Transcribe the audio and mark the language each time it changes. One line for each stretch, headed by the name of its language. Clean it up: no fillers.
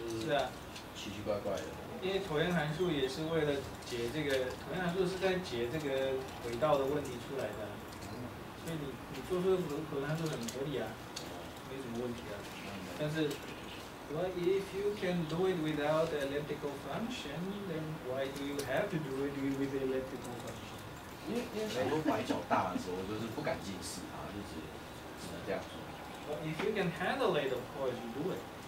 Chinese: 是啊，奇奇怪怪的。因为椭圆函数也是为了解这个，椭圆函数是在解这个轨道的问题出来的，所以你做出椭圆函数很合理啊，没什么问题啊。
English: 但是 ，what if you can do it without the elliptical function? Then why do you have to do it with the elliptical function?
Chinese: 因为想说拐角大的时候，就是不敢近视啊，就只能这样说。
English: Well, if you can handle it, of course you do it.